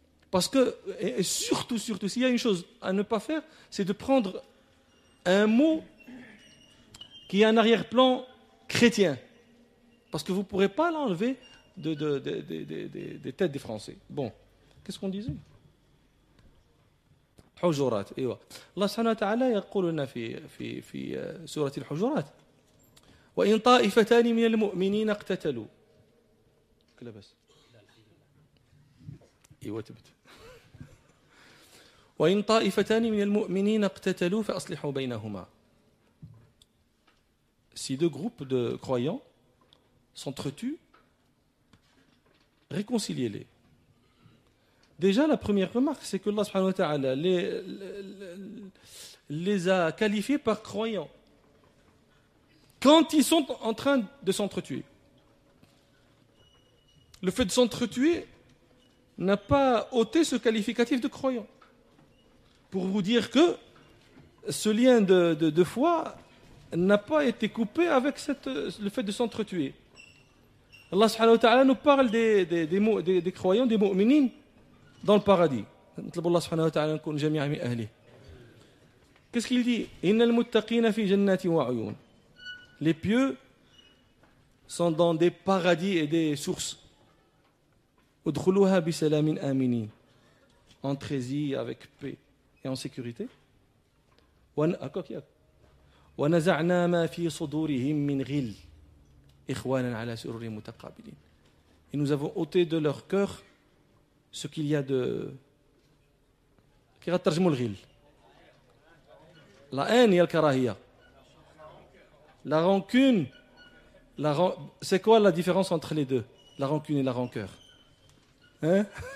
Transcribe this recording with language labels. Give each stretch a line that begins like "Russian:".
French: Parce que, et surtout, s'il y a une chose à ne pas faire, c'est de prendre un mot qui a un arrière-plan chrétien. Parce que vous ne pourrez pas l'enlever des têtes des Français. Bon, qu'est-ce qu'on disait?
Arabic: حجرات ايوه الله سبحانه وتعالى يقول لنا في سورة الحجرات وان طائفتان من المؤمنين اقتتلوا كلا بس ايوه تبت وان طائفتان من المؤمنين اقتتلوا فاصلحوا بينهما.
French: Si deux groupes de croyants s'entretuent, réconciliez-les. Déjà, la première remarque, c'est que
Arabic: Allah subhanahu wa ta'ala
French: les a qualifiés par croyants quand ils sont en train de s'entretuer. Le fait de s'entretuer n'a pas ôté ce qualificatif de croyant. Pour vous dire que ce lien de foi n'a pas été coupé avec le fait de s'entretuer.
Arabic: Allah subhanahu wa ta'ala
French: nous parle des croyants, des mu'minines, dans le paradis.
Arabic: نطلب الله سبحانه وتعالى ان نكون جميعا من اهله.
French: Qu'est-ce qu'il dit?
Arabic: إن المتقين في جنات وعيون.
French: Les pieux sont dans des paradis et des sources.
Arabic: ادخلوها بسلام آمنين.
French: Entrez-y avec paix et en sécurité.
Arabic: ونزعنا ما في صدورهم من غل إخوانا على سرر متقابلين.
French: Et nous avons ôté de leur cœur ce qu'il y a de... Qu'est-ce que vous dites? La haine et la karahia. La rancune. C'est quoi la différence entre les deux? La rancune et la rancœur. Hein?